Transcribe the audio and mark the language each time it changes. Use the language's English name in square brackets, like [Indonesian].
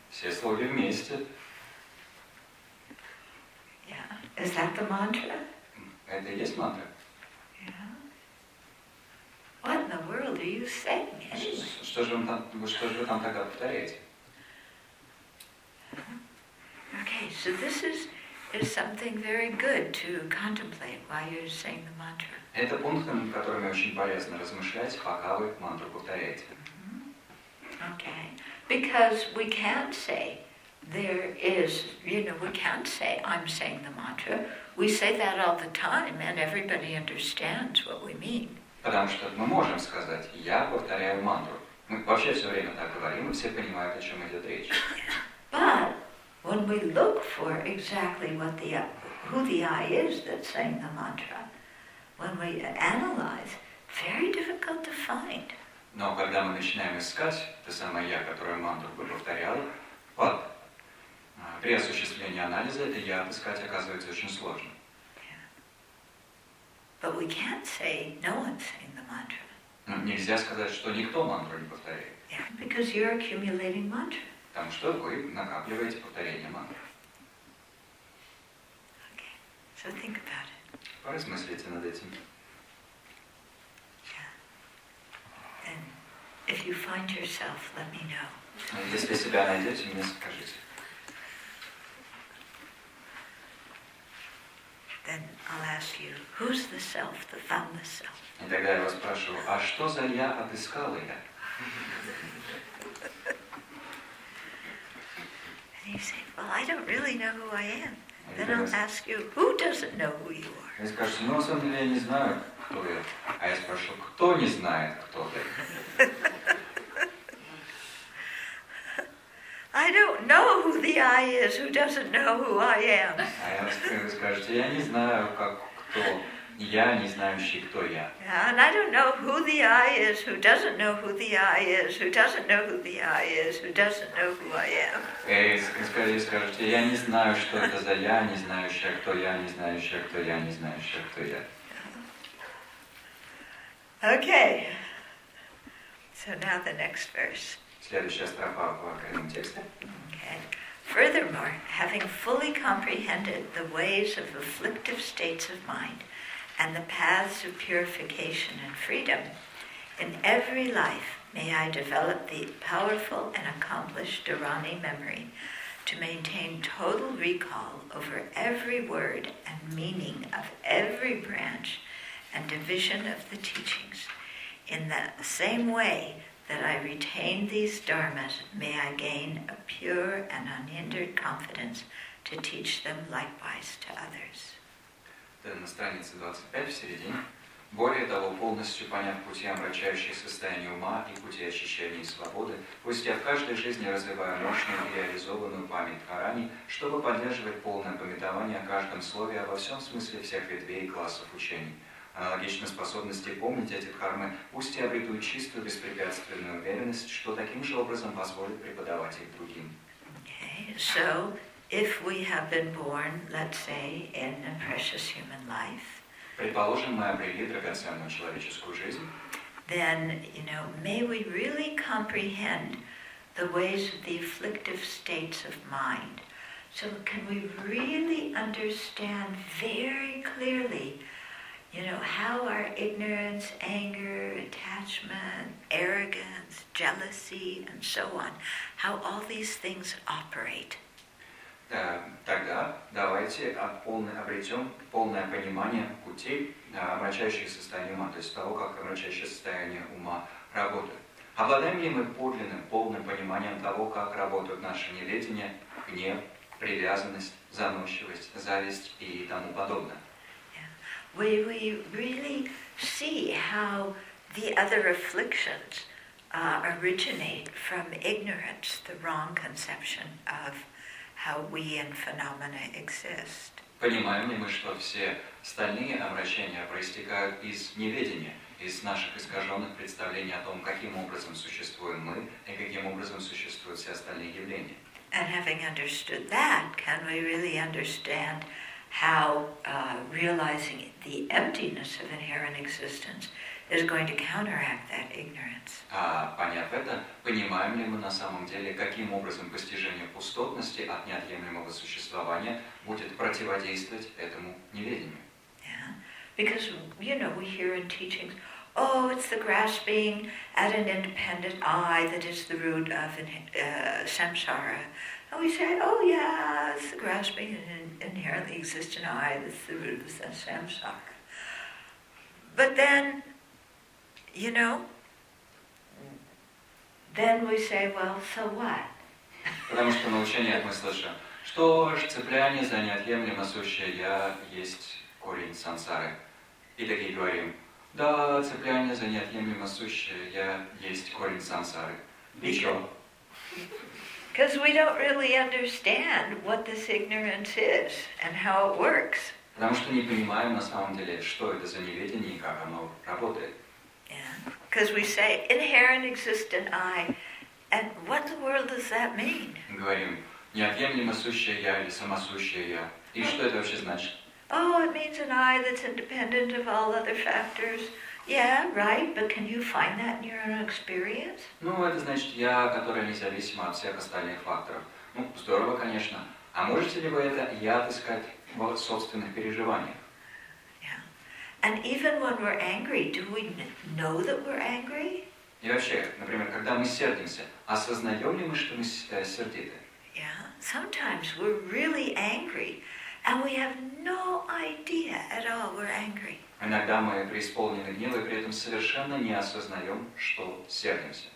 [Russian] Все слоги вместе. [English] Yeah. Is that the mantra? [Russian] Это и есть мантра. [English] Yeah. What in the world are you saying? [Russian] Что же вы там тогда повторяете? [English] Okay, so this is something very good to contemplate while you're saying the mantra. [Russian] Это пункт, над которым очень полезно размышлять, пока вы мантру повторяете. [English] Okay. Because we can't say there is, you know, we can't say I'm saying the mantra. We say that all the time and everybody understands what we mean. [Russian] Потому что мы можем сказать я повторяю мантру. Мы вообще все время так говорим, и все понимают, о чем идет речь. [English] But when we look for exactly what the who the I is that's saying the mantra, when we analyze, very difficult to find. [Russian] Но когда мы начинаем искать то самое я, которое мантру бы повторяло, вот при осуществлении анализа это я искать оказывается очень сложно. [English] But we can't say no one's saying the mantra. [Russian] Но нельзя сказать, что никто мантру не повторяет. [English] Yeah, because you're accumulating mantra. [Russian] Потому что вы накапливаете повторение мантры. [English] Okay. So think about it. [Russian] Поразмыслите над этим. [English] Yeah. And if you find yourself, let me know. [Russian] Если себя найдете, мне скажите. [English] Then I'll ask you, who's the self that found the self? [Russian] И тогда я вас спрошу, а что за я отыскал я? [English] And you say, well, I don't really know who I am. Then I'll ask you, who doesn't know who you are? [Russian] Я скажу, ну, на самом деле, я не знаю, кто я. А я спрошу, кто не знает, кто ты? [English] I don't know who the I is who doesn't know who I am. [Russian] А я скажу, я не знаю, как кто. Я, не знающий, кто я. [English] Yeah, and I don't know who the I is who doesn't know who the I is who doesn't know who the I is who doesn't know who I am. [Russian] Скажите, я не знаю, что это за я, не знающий, кто я, не знающий, кто я, не знающий, кто я. [English] Okay. So now the next verse. [Russian] Следующая строфа в этом тексте. [English] Okay. Furthermore, having fully comprehended the ways of afflictive states of mind, and the paths of purification and freedom, in every life may I develop the powerful and accomplished Dharani memory to maintain total recall over every word and meaning of every branch and division of the teachings. In the same way that I retain these dharmas, may I gain a pure and unhindered confidence to teach them likewise to others. Then [Russian] на странице 25 в середине. Более того, полностью поняв пути омрачающих состояние ума и пути очищения и свободы, пусть я в каждой жизни развиваю мощную и реализованную память Харани, чтобы поддерживать полное памятование о каждом слове, обо всем смысле всех ветвей и классов учений. Аналогично способности помнить эти дхармы, пусть я обрету чистую беспрепятственную уверенность, что таким же образом позволит преподавать их другим. [English] Okay. So, if we have been born, let's say, in a precious human life, [Russian] предположим, мы обрели драгоценную человеческую жизнь. [English] Then, you know, may we really comprehend the ways of the afflictive states of mind. So can we really understand very clearly, you know, how our ignorance, anger, attachment, arrogance, jealousy, and so on, how all these things operate. [Russian] Тогда давайте обретем полное понимание путей омрачающих состояния ума, то есть того, как омрачающее состояние ума работает. Обладаем ли мы подлинным, полным пониманием того, как работают наши неведения, гнев, привязанность, заносчивость, зависть и тому подобное? [English] Yeah. We really see how the other afflictions originate from ignorance, the wrong conception of how we and phenomena exist. [Russian] Понимаем ли мы, что все остальные обращения проистекают из неведения, из наших искаженных представлений о том, каким образом существуем мы и каким образом существуют все остальные явления? [English] And having understood that, can we really understand how realizing the emptiness of inherent existence is going to counteract that ignorance. [Russian] Поняв это, понимаем ли мы на самом деле, каким образом постижение пустотности от неотъемлемого существования будет противодействовать этому неведению? [English] Yeah. Because, you know, we hear in teachings, oh, it's the grasping at an independent I that is the root of samsara. And we say, oh yeah, it's the grasping at an inherently existent I that's the root of samsara. But then, you know, then we say, well, so what? [Russian] Потому что на учениях мы слышим, что ж, цепляние за неотъемлемо сущее я есть корень сансары. И такие говорим, да, цепляние за неотъемлемо сущее я есть корень сансары. И чё? [English] Because we don't really understand what this ignorance is and how it works. [Russian] Потому что не понимаем на самом деле, что это за неведение и как оно работает. [English] Because we say inherent existent I, and what in the world does that mean? [Russian] Говорим неотъемлемо сущее я или самосущее я. И что это вообще значит? [English] Oh, it means an I that's independent of all other factors. Yeah, right. But can you find that in your own experience? [Russian] Ну, это значит я, которая независима от всех остальных факторов. Ну, здорово, конечно. А можете ли вы это я отыскать в собственных переживаниях? [English] And even when we're angry, do we know that we're angry? [Russian] И вообще, например, когда мы сердимся, осознаем ли мы, что мы сердиты? [English] Yeah. Sometimes we're really angry, and we have no idea at all we're angry. [Russian] Иногда мы преисполнены гнева, и при этом совершенно не осознаем, что сердимся.